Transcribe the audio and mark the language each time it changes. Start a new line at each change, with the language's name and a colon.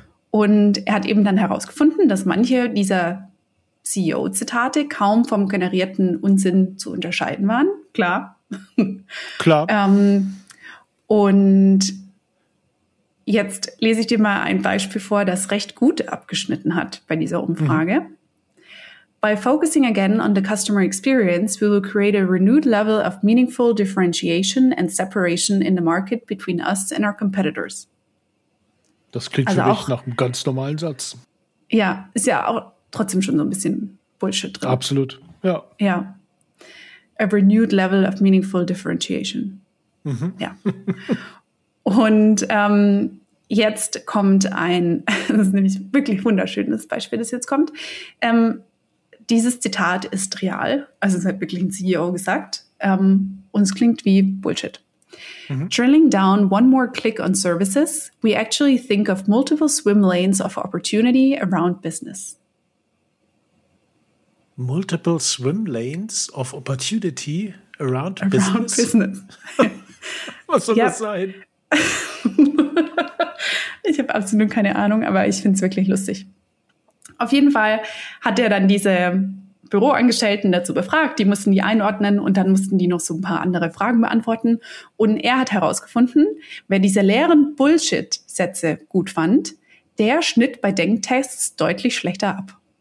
German: Und er hat eben dann herausgefunden, dass manche dieser CEO-Zitate kaum vom generierten Unsinn zu unterscheiden waren. Klar. Klar. Und jetzt lese ich dir mal ein Beispiel vor, das recht gut abgeschnitten hat bei dieser Umfrage. Mhm.
English: By focusing again on the customer experience, we will create a renewed level of meaningful differentiation and separation in the market between us and our competitors.
German: Das klingt also für mich nach einem ganz normalen Satz. Ja, ist ja auch trotzdem schon so ein bisschen Bullshit drin. Absolut, ja. Ja.
English: A renewed level of meaningful differentiation.
German: Mhm. Ja. Und jetzt kommt ein, das ist nämlich wirklich wunderschönes Beispiel, das jetzt kommt. Dieses Zitat ist real. Also es hat wirklich ein CEO gesagt. Und es klingt wie Bullshit.
English: Drilling down one more click on services, we actually think of multiple swim lanes of opportunity around business. Multiple swim lanes of opportunity around business.
German: Was soll das sein? Ich habe absolut keine Ahnung, aber ich finde es wirklich lustig. Auf jeden Fall hat er dann diese Büroangestellten dazu befragt, die mussten die einordnen und dann mussten die noch so ein paar andere Fragen beantworten. Und er hat herausgefunden, wer diese leeren Bullshit-Sätze gut fand, der schnitt bei Denktests deutlich schlechter ab.